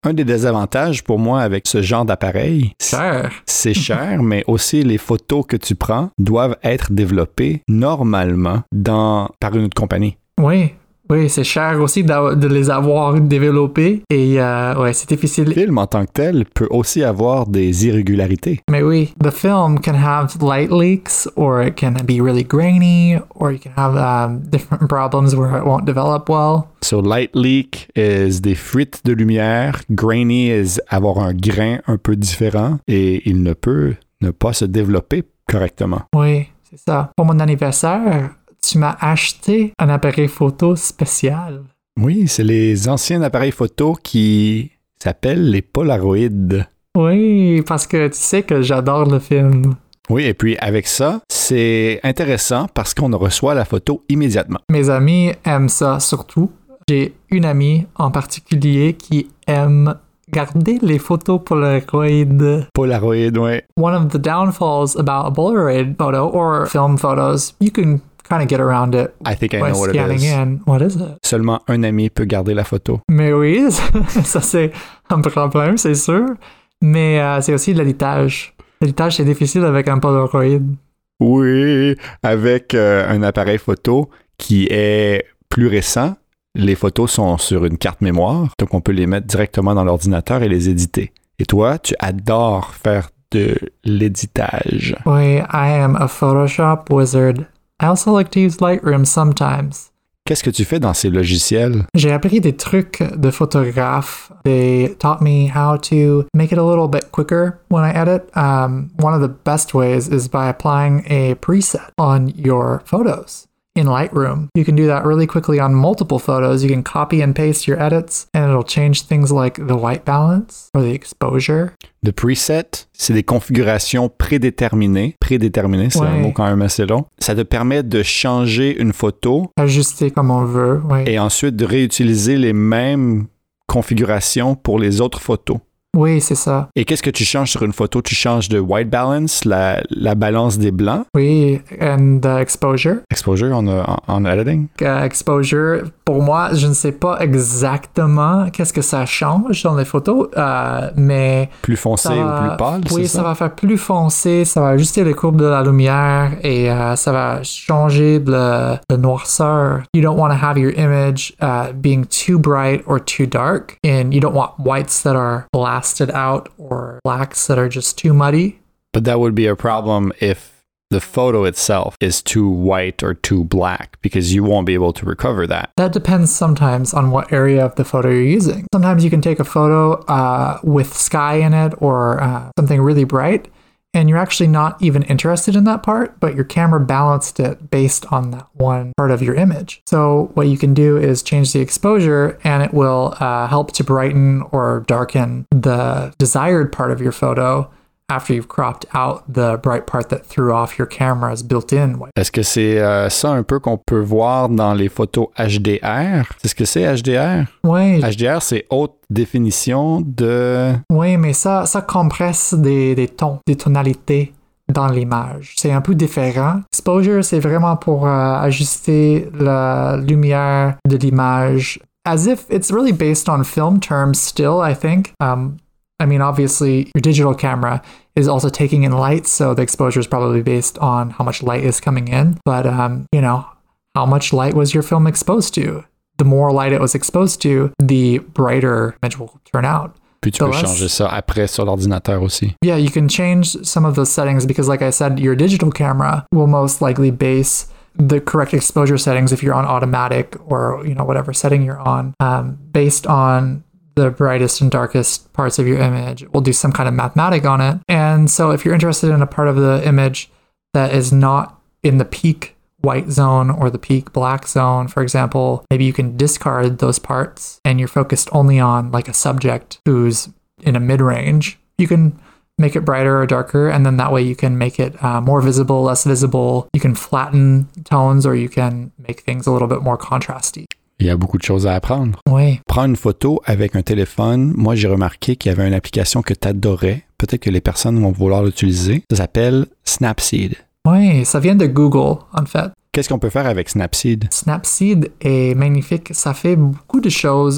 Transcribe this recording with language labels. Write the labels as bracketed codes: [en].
[fr] Un des désavantages pour moi avec ce genre d'appareil, c'est cher, mais aussi les photos que tu prends doivent être développées normalement par une autre compagnie. Oui, oui, c'est cher aussi de les avoir développées et ouais, c'est difficile. Le film en tant que tel peut aussi avoir des irrégularités. Mais oui, [en] the film can have light leaks or it can be really grainy or you can have different problems where it won't develop well. So light leak is [fr] des fuites de lumière, [en] grainy is [fr] avoir un grain un peu différent et il ne peut ne pas se développer correctement. Oui, c'est ça. Pour mon anniversaire, tu m'as acheté un appareil photo spécial. Oui, c'est les anciens appareils photo qui s'appellent les Polaroid. Oui, parce que tu sais que j'adore le film. Oui, et puis avec ça, c'est intéressant parce qu'on reçoit la photo immédiatement. Mes amis aiment ça surtout. J'ai une amie en particulier qui aime garder les photos Polaroid. Polaroid, oui. [en] One of the downfalls about a Polaroid photo or film photos, you can kind of get around it. I think I know what scanning it is. In. What is it? [fr] Seulement un ami peut garder la photo. Mais oui, ça c'est un problème, c'est sûr. Mais c'est aussi l'editage. L'editage, c'est difficile avec un Polaroid. Oui, avec un appareil photo qui est plus récent, les photos sont sur une carte mémoire, donc on peut les mettre directement dans l'ordinateur et les éditer. Et toi, tu adores faire de l'éditage. [en] Oui, I am a Photoshop wizard. I also like to use Lightroom sometimes. [fr] Qu'est-ce que tu fais dans ces logiciels? J'ai appris des trucs de photographe. [en] They taught me how to make it a little bit quicker when I edit. One of the best ways is by applying a preset on your photos in Lightroom. You can do that really quickly on multiple photos. You can copy and paste your edits and it'll change things like the white balance or the exposure. The preset, [fr] c'est des configurations prédéterminées. Prédéterminées, c'est un mot quand même assez long. Ça te permet de changer une photo. Ajuster comme on veut, oui. Et ensuite de réutiliser les mêmes configurations pour les autres photos. Oui, c'est ça. Et qu'est-ce que tu changes sur une photo? Tu changes de white balance, la balance des blancs? [en] Oui, and the exposure. Exposure on editing? [fr] Exposure, pour moi, je ne sais pas exactement qu'est-ce que ça change dans les photos, mais... Plus foncé ou plus pâle, c'est ça? Oui, ça va faire plus foncé, ça va ajuster les courbes de la lumière et ça va changer de noirceur. [en] You don't want to have your image being too bright or too dark, and you don't want whites that are blasted out or blacks that are just too muddy. But that would be a problem if the photo itself is too white or too black, because you won't be able to recover that. That depends sometimes on what area of the photo you're using. Sometimes you can take a photo with sky in it or something really bright, and you're actually not even interested in that part, but your camera balanced it based on that one part of your image. So what you can do is change the exposure, and it will help to brighten or darken the desired part of your photo after you've cropped out the bright part that threw off your camera's built-in white. [fr] Est-ce que c'est ça un peu qu'on peut voir dans les photos HDR? C'est ce que c'est HDR? Oui. HDR, c'est haute définition de... Oui, mais ça compresse des tons, des tonalités dans l'image. C'est un peu différent. Exposure, c'est vraiment pour ajuster la lumière de l'image. [en] As if it's really based on film terms still, I think. I mean, obviously, your digital camera is also taking in light, so the exposure is probably based on how much light is coming in. But, you know, how much light was your film exposed to? The more light it was exposed to, the brighter image will turn out. [fr] Puis tu peux changer ça après sur l'ordinateur aussi. [en] Yeah, you can change some of those settings because, like I said, your digital camera will most likely base the correct exposure settings if you're on automatic or, you know, whatever setting you're on, based on the brightest and darkest parts of your image. We'll do some kind of mathematic on it. And so if you're interested in a part of the image that is not in the peak white zone or the peak black zone, for example, maybe you can discard those parts and you're focused only on like a subject who's in a mid-range. You can make it brighter or darker, and then that way you can make it more visible, less visible. You can flatten tones, or you can make things a little bit more contrasty. [fr] Il y a beaucoup de choses à apprendre. Oui. Prends une photo avec un téléphone. Moi, j'ai remarqué qu'il y avait une application que tu adorais. Peut-être que les personnes vont vouloir l'utiliser. Ça s'appelle Snapseed. Oui, ça vient de Google, en fait. Qu'est-ce qu'on peut faire avec Snapseed? Snapseed est magnifique. Ça fait beaucoup de choses.